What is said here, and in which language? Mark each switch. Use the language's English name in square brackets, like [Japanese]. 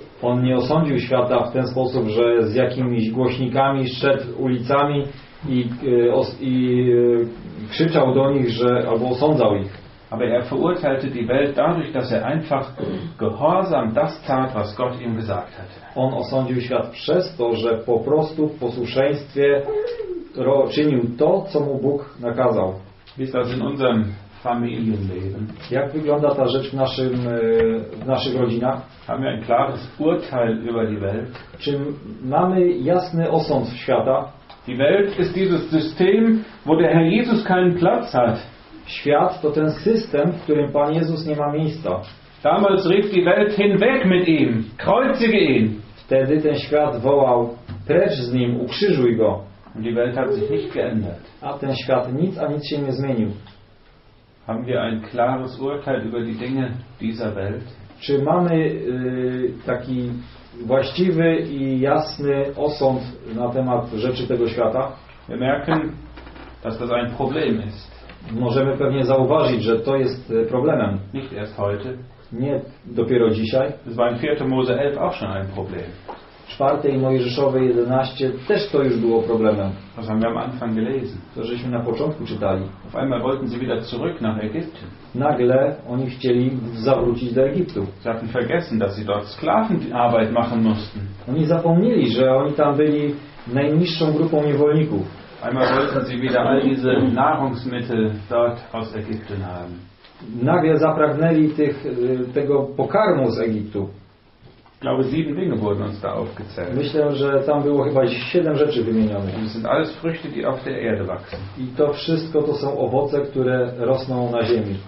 [Polish] On nie osądził świata w ten sposób, że z jakimiś głośnikami szedł ulicami i krzyczał do nich, że albo osądzał ich. [German] Aber er verurteilte die Welt dadurch, dass er einfach gehorsam das tat, was Gott ihm gesagt hatte. [Polish] On osądził świat przez to, że po prostu w posłuszeństwie czynił to, co mu Bóg nakazał. [German] Wie das in unserem Familienleben? [Polish] Jak wygląda ta rzecz w naszych rodzinach? [German] Haben wir ein klares Urteil über die Welt? [Polish] Czy mamy jasny osąd świata? [German] Die Welt ist dieses System, wo der Herr Jesus keinen Platz hat. [Polish] Świat to ten system, w którym Pan Jezus nie ma miejsca. [German] Damals rief die Welt hinweg mit ihm. Kreuzige ihn. [Polish] Wtedy ten świat wołał, precz z nim, ukrzyżuj go. [German] Und die Welt hat sich nicht geändert. [Polish] A ten świat nic, a nic się nie zmienił. [German] Haben wir ein klares Urteil über die Dinge dieser Welt? [Polish] Czy mamy taki właściwy i jasny osąd na temat rzeczy tego świata? [German] Wir merken, dass das ein Problem ist. [Polish] Możemy pewnie zauważyć, że to jest problemem. [German] Nicht erst heute. [Polish] Nie dopiero dzisiaj. [German] Es war in 4. Mose 11 auch schon ein Problem. [Polish] W 4. Mojżeszowej 11 też to już było problemem. [German] Was haben wir am Anfang gelesen? [Polish] To żeśmy na początku czytali. [German] Auf einmal wollten sie wieder zurück nach Ägypten. [Polish] Nagle oni chcieli zawrócić do Egiptu. [German] Sie hatten vergessen, dass sie dort Sklavenarbeit machen mussten. [Polish] Oni zapomnieli, że oni tam byli najniższą grupą niewolników. [German] Einmal wollten sie wieder all diese Nahrungsmittel dort aus Ägypten haben. [Polish] Nagle zapragnęli tego pokarmu z Egiptu. [German] Ich glaube, 7 Dinge wurden uns da aufgezählt. [Polish] Myślę, że tam było chyba 7 rzeczy wymienionych. [German] Das sind alles Früchte, die auf der Erde wachsen. [Polish] I to wszystko to są owoce, które rosną na ziemi.